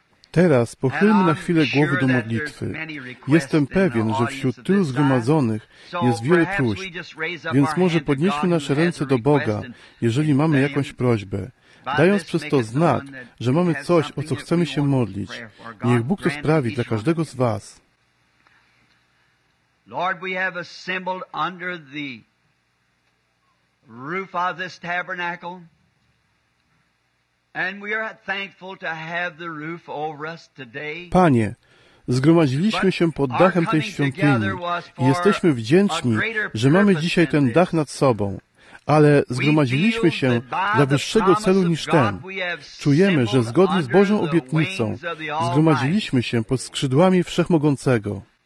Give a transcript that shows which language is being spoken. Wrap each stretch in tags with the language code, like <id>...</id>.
<pl>Teraz pochylmy na chwilę głowy do modlitwy. Jestem pewien, że wśród tylu zgromadzonych jest wiele próśb, więc może podnieśmy nasze ręce do Boga, jeżeli mamy jakąś prośbę, dając przez to znak, że mamy coś, o co chcemy się modlić. Niech Bóg to sprawi dla każdego z Was.</pl> <en>Lord, we have assembled under the roof of this tabernacle. And we are thankful to have the roof over us today.</en> <pl>Panie, zgromadziliśmy się pod dachem tej świątyni i jesteśmy wdzięczni, że mamy dzisiaj ten dach nad sobą, ale zgromadziliśmy się dla wyższego celu niż ten. Czujemy, że zgodnie z Bożą obietnicą zgromadziliśmy się pod skrzydłami Wszechmogącego.</pl>